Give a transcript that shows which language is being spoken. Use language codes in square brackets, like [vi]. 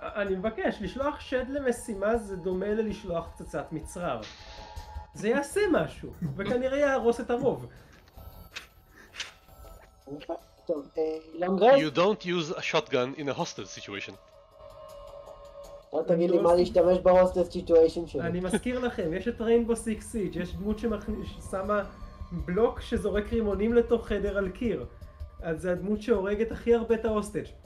[he] אני מבקש, לשלוח שד למשימה זה דומה ללשלוח פצצת מצרר. זה יעשה משהו, וכנראה יהרוס את הרוב. טוב, לונגרס? [en] You don't use a shotgun in a hostile situation. [he] אל תגיד לי מה להשתמש ב- [en] hostess situation [he] שלי. אני מזכיר לכם, יש את Rainbow Six Siege, יש דמות ששמה בלוק שזורק רימונים לתוך חדר על קיר. אז זה הדמות שהורגת הכי הרבה את ההוסטג'.